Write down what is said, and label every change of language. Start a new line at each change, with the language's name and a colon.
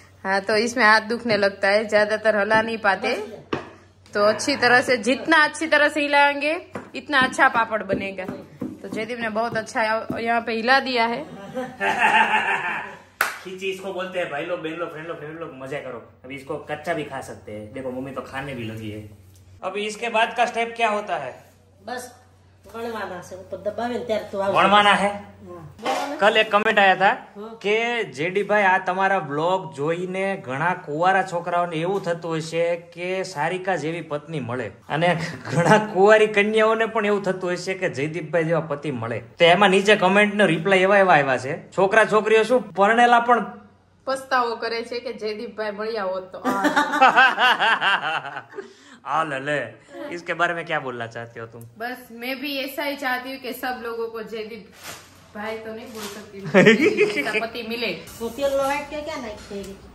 Hindi: हाँ तो इसमें हाथ दुखने लगता है ज्यादातर हला नहीं पाते तो अच्छी तरह से जितना अच्छी तरह से हिलाएंगे इतना अच्छा पापड़ बनेगा तो जयदीप ने बहुत अच्छा यहाँ पे हिला दिया है खींची इसको बोलते हैं भाई लोग बहन लोग फ्रेंड लोग फैमिली लोग मजा करो अभी इसको कच्चा भी खा सकते हैं देखो मम्मी तो खाने भी लगी है अभी इसके बाद का स्टेप क्या होता है बस से
Gujarati: वणवाना
Hindi: है कल एक कमेंट आया था
Gujarati: के जेडी भाई आ तमारा ब्लॉग जोईने घणा कुवारा છોકરાઓને એવું થતું હોય છે કે સારિકા જેવી પત્ની મળે અને ઘણા કુવારી કન્યાઓને પણ એવું થતું હોય છે કે જયદીપભાઈ જેવા પતિ મળે તો એમાં નીચે કમેન્ટ નો રિપ્લાય એવા એવા આવ્યા છે છોકરા છોકરીઓ શું પરણેલા પણ પસ્તાવો કરે છે કે જયદીપભાઈ મળ્યા હોત તો
Hindi: ले इसके बारे में क्या बोलना चाहती हो तुम बस मैं भी ऐसा ही चाहती हूँ कि सब लोगों को जयदीप भाई तो नहीं बोल सकती पति मिले